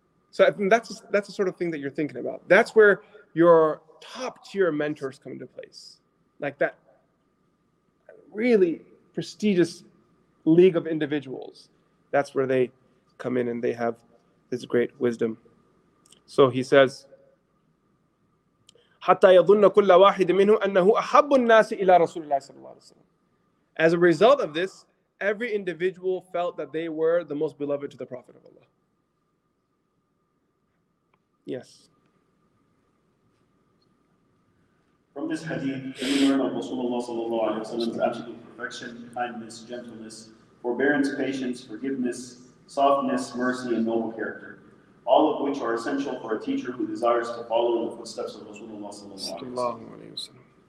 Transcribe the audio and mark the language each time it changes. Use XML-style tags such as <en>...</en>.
<en>So that's the sort of thing that you're thinking about. That's where your top tier mentors come into place. Like that really prestigious league of individuals. That's where they come in and they have this great wisdom. So he says,</en> <ar>حَتَّى يَظُنَّ كُلَّ وَاحِدٍ مِّنْهُ أَنَّهُ أَحَبُّ النَّاسِ إِلَىٰ رَسُولِ اللَّهِ صَلَّى اللَّهِ عَلَيْهِ وَسَلَّمَ</ar> <en>As a result of this, every individual felt that they were the most beloved to the Prophet of Allah. Yes. From this hadith, can we learn of Rasulullah sallallahu alayhi wa sallam's absolute perfection, kindness, gentleness, forbearance, patience, forgiveness, softness, mercy, and noble character, all of which are essential for a teacher who desires to follow in the footsteps of Rasulullah sallallahu alayhi wa sallam.</en>